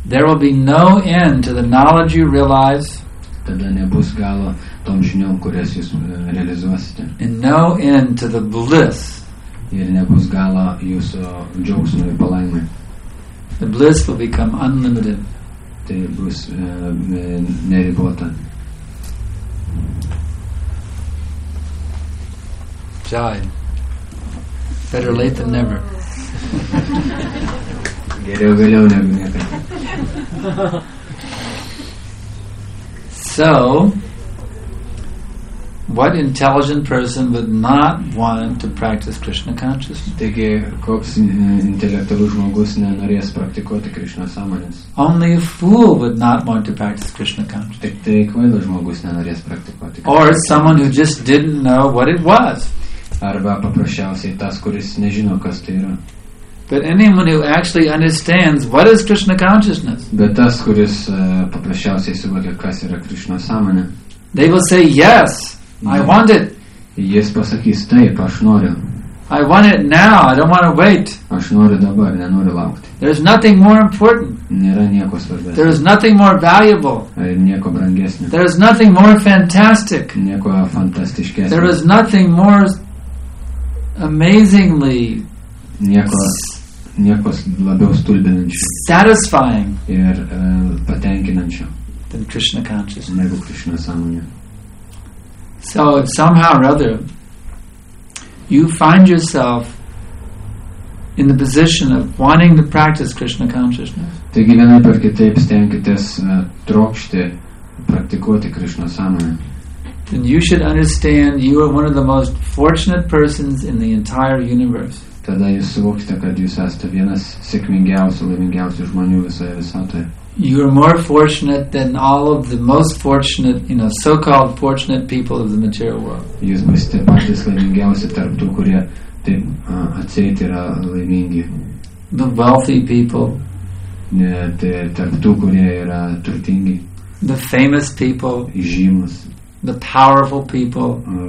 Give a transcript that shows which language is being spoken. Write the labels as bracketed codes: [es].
[en] there will be no end to the knowledge you realize, [lt] tada nebus galo tom žiniom, kurias jūs realizuosite, [en] and no end to the bliss, [lt] ir nebus galo jūsų džiaugsmui ir palaimai. [en] The bliss will become unlimited. [lt] Tai bus neribota. [en] Jai. Better late than never. [lt] Geriau vėliau negu niekada. [en] So, What intelligent person would not want to practice Krishna consciousness? [lt] Taigi, koks intelektualus žmogus nenorės praktikuoti Krishna sąmonės? [en] Only a fool would not want to practice Krishna consciousness. [lt] Tai kvailas žmogus nenorės praktikuoti. [en] Or someone who just didn't know what it was. [lt] Arba paprasčiausiai tas, kuris nežino, kas tai yra. [en] But anyone who actually understands what is Krishna consciousness? [lt] Bet tas, kuris paprasčiausiai suvokia, kas yra Krishna sąmonė. [en] They will say yes. I want it. [lt] Jis pasakys, taip, aš noriu. [en] I want it now. I don't want to wait. [lt] Aš noriu dabar, nenoriu laukti. [en] There's nothing more important. [lt] Nėra nieko svarbesnio. [en] There is nothing more valuable. [lt] Nieko brangesnio. [en] There is nothing more fantastic. [lt] Nieko fantastiškesnio. [en] There is nothing more amazingly [lt] nieko labiau stulbinančio. [en] Satisfying. [lt] Ir patenkinančio. [en] Than Krishna consciousness. [lt] Negu Krishna sąmonė. [en] So somehow or other, you find yourself in the position of wanting to practice Krishna consciousness. [lt] Taigi vienai per kitaip stengitės trokšti praktikuoti Krishna sąmonę. [en] Then you should understand you are one of the most fortunate persons in the entire universe. [lt] Tada jūs suvokite, kad jūs esate vienas sėkmingiausių, laimingiausių žmonių visoje visatoje. [en] You are more fortunate than all of the most fortunate, you know, so-called fortunate people of the material world. [lt] Jūs būsite patys laimingiausi tarp tų, kurie taip atseit yra laimingi. [en] The wealthy people. [lt] Tarp tų, kurie yra turtingi. [en] The famous people. [lt] Žymus. [en] The powerful people.